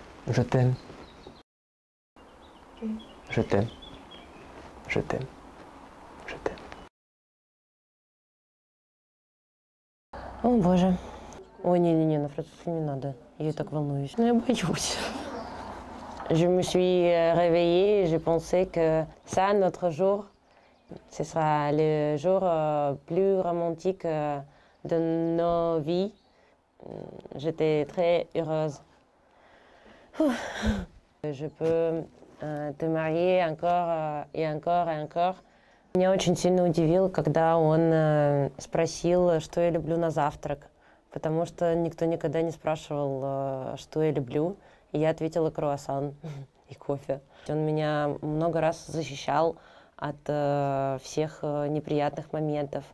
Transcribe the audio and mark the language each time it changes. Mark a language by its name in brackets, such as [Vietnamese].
[French] Je t'aime. Je t'aime. Je t'aime. Je t'aime. [Russian] О, боже. Ой, не-не-не, на французском не надо. Я так волнуюсь. Но я боюсь. [French] Je me suis réveillée et je pensais que ça, notre jour, ce sera le jour plus romantique de nos vies. J'étais très heureuse. Je peux te marier encore et encore et encore. [Russian] Меня очень сильно удивило, когда он спросил, что я люблю на завтрак, потому что никто никогда не спрашивал, что я люблю. И я ответила круассан и кофе. Он меня много раз защищал от всех неприятных моментов.